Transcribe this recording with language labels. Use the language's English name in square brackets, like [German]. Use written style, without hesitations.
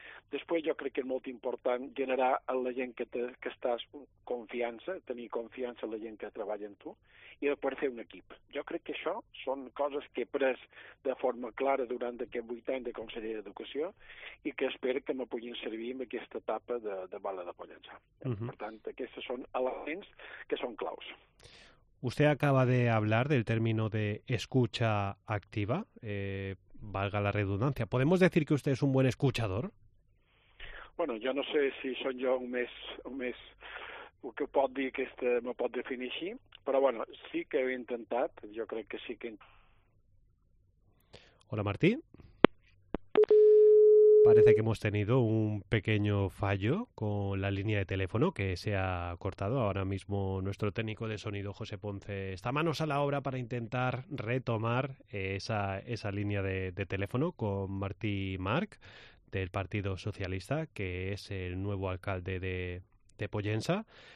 [Catalan] Després jo crec que és molt important generar a la gent que estàs confiança, tenir confiança en la gent que treballa amb tu, i després fer un equip. Jo crec que això són coses que he pres de forma clara durant aquests 8 anys de conseller d'Educació i que espero que me puguin servir en aquesta etapa de Vall de Pollença. Per tant, aquests són elements que són claus. [Spanish] Usted acaba de hablar del término de escucha activa, valga la redundancia. ¿Podemos decir que usted es un buen escuchador? [Catalan] Bueno, jo no sé si són jo un més el que pot dir que este me pot definir així, però bueno, sí que he intentat, jo crec que sí que... [Spanish] Hola, Martí. Parece que hemos tenido un pequeño fallo con la línea de teléfono que se ha cortado. Ahora mismo nuestro técnico de sonido, José Ponce, está manos a la obra para intentar retomar esa línea de teléfono con Martí Marc, del Partido Socialista, que es el nuevo alcalde de Pollença.